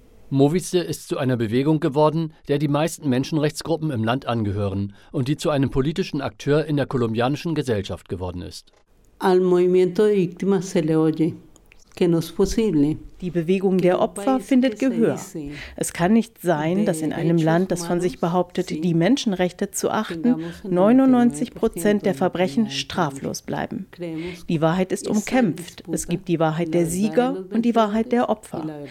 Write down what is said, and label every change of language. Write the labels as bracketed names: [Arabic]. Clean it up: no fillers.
[German] Movice ist zu einer Bewegung geworden, der die meisten Menschenrechtsgruppen im Land angehören und die zu einem politischen Akteur in der kolumbianischen Gesellschaft geworden ist. [Spanish] Al Movimiento de Víctimas se le oye. [German] Die Bewegung der Opfer findet Gehör. Es kann nicht sein, dass in einem Land, das von sich behauptet, die Menschenrechte zu achten, 99% der Verbrechen straflos bleiben. Die Wahrheit ist umkämpft. Es gibt die Wahrheit der Sieger und die Wahrheit der Opfer.